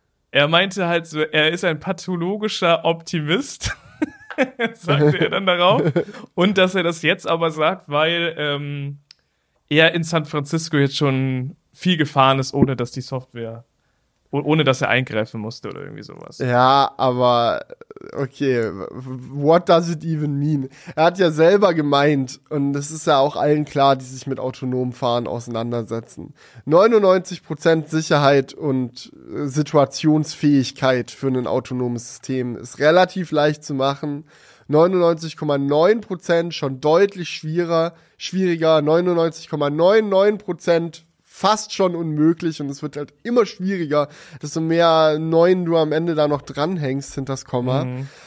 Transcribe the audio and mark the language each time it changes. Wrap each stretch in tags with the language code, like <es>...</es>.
<de>Er meinte halt so, er ist ein pathologischer Optimist, sagte er dann darauf. Und dass er das jetzt aber sagt, weil er in San Francisco jetzt schon viel gefahren ist, ohne dass die Software, ohne dass er eingreifen musste oder irgendwie sowas. Ja, aber</de> <en>okay, what does it even mean?</en> <de>Er hat ja selber gemeint, und das ist ja auch allen klar, die sich mit autonomem Fahren auseinandersetzen, 99% Sicherheit und Situationsfähigkeit für ein autonomes System ist relativ leicht zu machen. 99,9% schon deutlich schwieriger, 99,99% fast schon unmöglich, und es wird halt immer schwieriger, desto mehr 9 du am Ende da noch dranhängst hinter das Komma. Mhm.</de>